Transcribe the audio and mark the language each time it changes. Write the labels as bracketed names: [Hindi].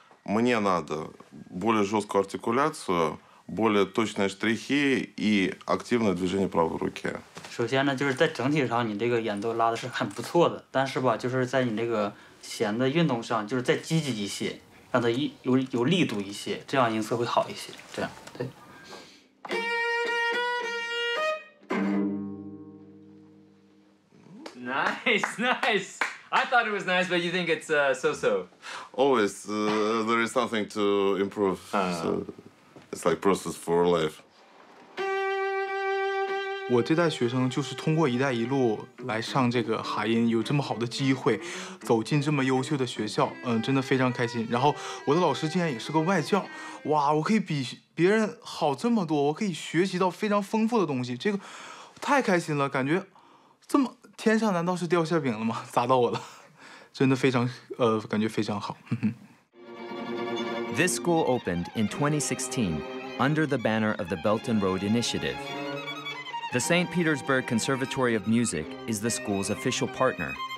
[Russian] Мне надо более жесткую артикуляцию, более точные штрихи и активное движение правой руки. [Chinese] 首先呢，就是在整体上，你这个演奏拉的是很不错的。但是吧，就是在你这个弦的运动上，就是在积极一些，让它有力度一些，这样音色会好一些。这样，对。 [English] Nice, nice. I thought it was nice, but you think it's so-so. Always there is something to improve. So it's like process for life. [Chinese] 我这代学生就是通过一代一路来上这个哈音，有这么好的机会，走进这么优秀的学校，真的非常开心。然后我的老师竟然也是个外教，哇！我可以比别人好这么多，我可以学习到非常丰富的东西，这个太开心了，感觉这么。 [English] This school opened in 2016 under the banner of the Belt and Road Initiative. The St. Petersburg Conservatory of Music is the school's official partner.